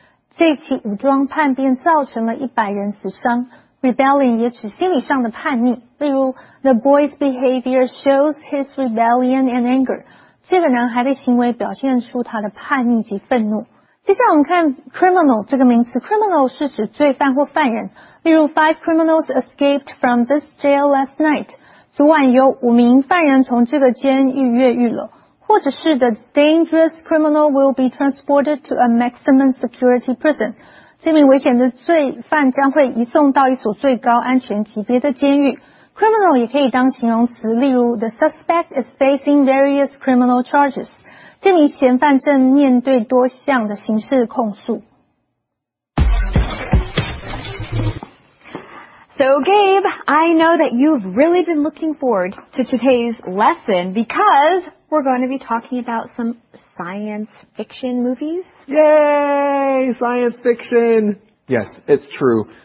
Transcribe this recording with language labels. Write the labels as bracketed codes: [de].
[zh] 这起武装叛变造成了100人死伤。 [en] Rebellion [zh] 也指心理上的叛逆，例如 [en] the boy's behavior shows his rebellion and anger. [zh] 这个男孩的行为表现出他的叛逆及愤怒。接下来我们看 criminal 这个名词。criminal 是指罪犯或犯人，例如 [en] 5 criminals escaped from this jail last night. [zh] 昨晚有五名犯人从这个监狱越狱了。或者是 [en] the dangerous criminal will be transported to a maximum security prison. [zh] 这名危险的罪犯将会移送到一所最高安全级别的监狱。 [en] criminal [zh] 也可以当形容词，例如 [en] the suspect is facing various criminal charges. [zh] 这名嫌犯正面对多项的刑事控诉。 [en] So Gabe, I know that you've really been looking forward to today's lesson because we're going to be talking about some science fiction movies. Yay! Science fiction! Yes, it's true.